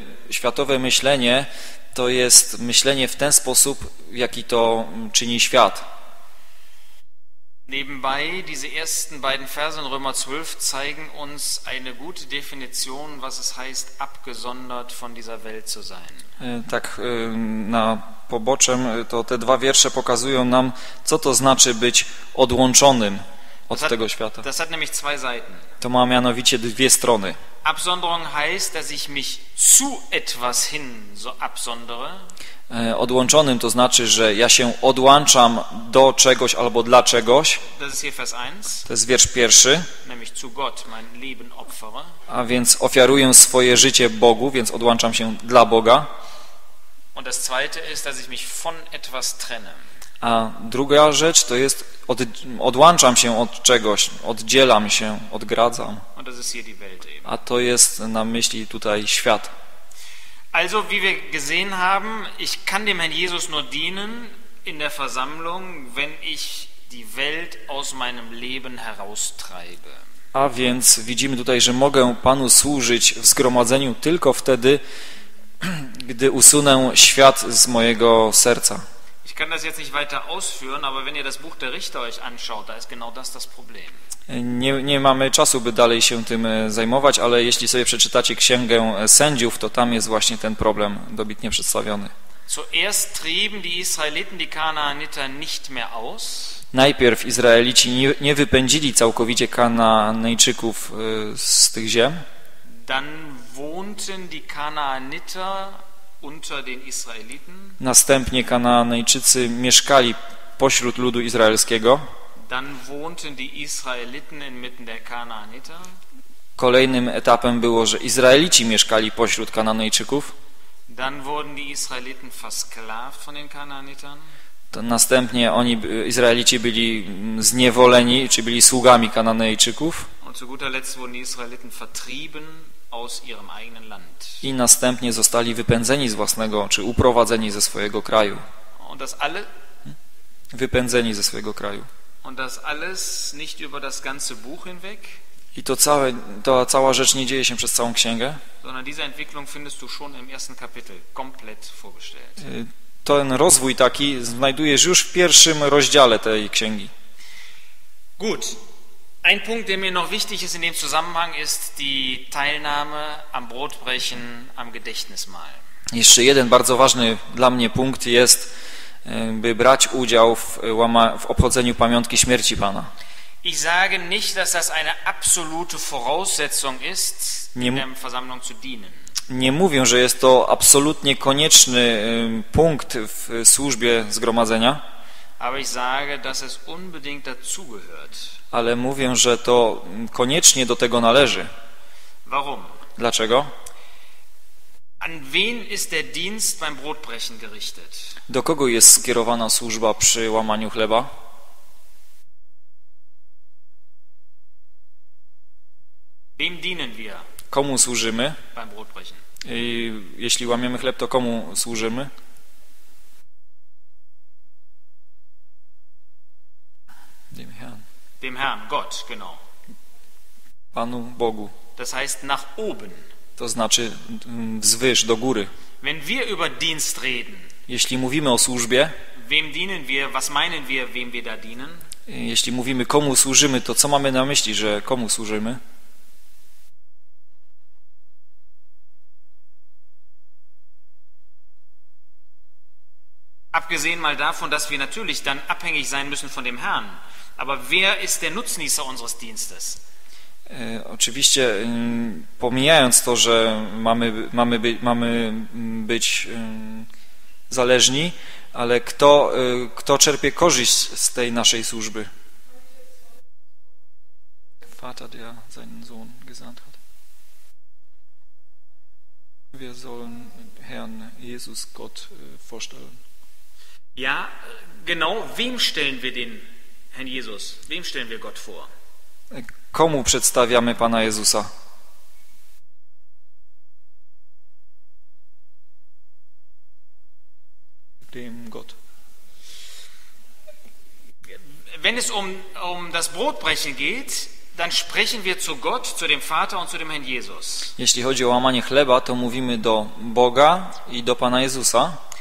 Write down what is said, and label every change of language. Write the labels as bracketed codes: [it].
[pl] Światowe myślenie to jest myślenie w ten sposób, w jaki to czyni świat. [de] Nebenbei, diese ersten beiden Verse in Römer 12 zeigen uns eine gute Definition, was es heißt, abgesondert von dieser Welt zu sein. [pl] Tak na poboczem, to te dwa wiersze pokazują nam, co to znaczy być odłączonym od tego świata. [de] Das hat nämlich zwei Seiten. [pl] To ma mianowicie dwie strony. [de] Absonderung heißt, dass ich mich zu etwas hin so absondere. [pl] Odłączonym to znaczy, że ja się odłączam do czegoś albo dla czegoś. [de] Das ist hier Vers 1. [pl] To jest wiersz pierwszy. [de] Nämlich zu Gott mein Leben opfere. [pl] A więc ofiaruję swoje życie Bogu, więc odłączam się dla Boga. [de] Und das zweite ist, dass ich mich von etwas trenne. [pl] A druga rzecz to jest, odłączam się od czegoś, oddzielam się, odgradzam. [de] Und das ist hier die Welt eben. [pl] A to jest na myśli tutaj świat. [de] Also, wie wir gesehen haben, ich kann dem Herrn Jesus nur dienen in der Versammlung, wenn ich die Welt aus meinem Leben heraustreibe. [pl] A więc widzimy tutaj, że mogę Panu służyć w zgromadzeniu tylko wtedy, gdy usunę świat z mojego serca. [de] Ich kann das jetzt nicht weiter ausführen, aber wenn ihr das Buch der Richter euch anschaut, da ist genau das Problem. [pl] Nie mamy czasu, by dalej się tym zajmować, ale jeśli sobie przeczytacie Księgę Sędziów, to tam jest właśnie ten problem dobitnie przedstawiony. [de] Zuerst trieben die Israeliten die Kanaaniter nicht mehr aus. [pl] Najpierw Izraelici nie wypędzili całkowicie Kanaanejczyków z tych ziem. [de] Dann wohnten die Kanaaniter unter den Israeliten. [pl] Następnie Kanaanejczycy mieszkali pośród ludu izraelskiego. [de] Dann wohnten die Israeliten inmitten der Kanaaniter. [pl] Kolejnym etapem było, że Izraelici mieszkali pośród Kanaanejczyków. [de] Dann wurden die Israeliten versklavt von den Kanaanitern. [pl] To następnie oni, Izraelici, byli zniewoleni, czy byli sługami Kananejczyków. [de] Und zu guter Letzt wurden Israeliten vertrieben aus ihrem eigenen Land. [pl] I następnie zostali wypędzeni z własnego, czy uprowadzeni ze swojego kraju. [de] Und das alles? [pl] Wypędzeni ze swojego kraju. [de] Und das alles nicht über das ganze Buch hinweg? [pl] I to całe, ta cała rzecz nie dzieje się przez całą księgę. [de] Sondern diese Entwicklung findest du schon im ersten Kapitel komplett vorgestellt. [pl] Ten rozwój taki znajdujesz już w pierwszym rozdziale tej księgi. [de] Gut. Ein Punkt, der mir noch wichtig ist in dem Zusammenhang, ist die Teilnahme am Brotbrechen, am Gedächtnismahl. [pl] Jeszcze jeden bardzo ważny dla mnie punkt jest, by brać udział w obchodzeniu pamiątki śmierci Pana. [de] Ich sage nicht, dass das eine absolute Voraussetzung ist, in der Versammlung zu dienen. [pl] Nie mówię, że jest to absolutnie konieczny punkt w służbie zgromadzenia. [de] Aber ich sage, dass es unbedingt dazugehört. [pl] Ale mówię, że to koniecznie do tego należy. [de] Warum? [pl] Dlaczego? [de] An wen ist der Dienst beim Brotbrechen gerichtet? [pl] Do kogo jest skierowana służba przy łamaniu chleba? [de] Wem dienen wir? [pl] Komu służymy? [de] Beim Brotbrechen. [pl] I jeśli łamiemy chleb, to komu służymy? [de] Dem Herrn. Dem Herrn, Gott, genau. [pl] Panu Bogu. [de] Das heißt nach oben. [pl] To znaczy wzwyż, do góry. [de] Wenn wir über Dienst reden, [pl] jeśli mówimy o służbie, [de] wem dienen wir, was meinen wir, wem wir da dienen? [pl] Jeśli mówimy, komu służymy, to co mamy na myśli, że komu służymy? [de] Abgesehen mal davon, dass wir natürlich dann abhängig sein müssen von dem Herrn. Aber wer ist der Nutznießer unseres Dienstes? [pl] Oczywiście pomijając to, że mamy być zależni, ale kto czerpie korzyść z tej naszej służby? [de] Vater, der seinen Sohn gesandt hat. Wir sollen Herrn Jesus Gott vorstellen. Ja, genau, wem stellen wir den Herrn Jesus? Wem stellen wir Gott vor? [pl] Komu przedstawiamy Pana Jezusa? [de] Dem Gott. Wenn es um das Brotbrechen geht, dann sprechen wir zu Gott, zu dem Vater und zu dem Herrn Jesus. [pl] Jeśli chodzi o łamanie chleba, to mówimy do Boga i do Pana Jezusa.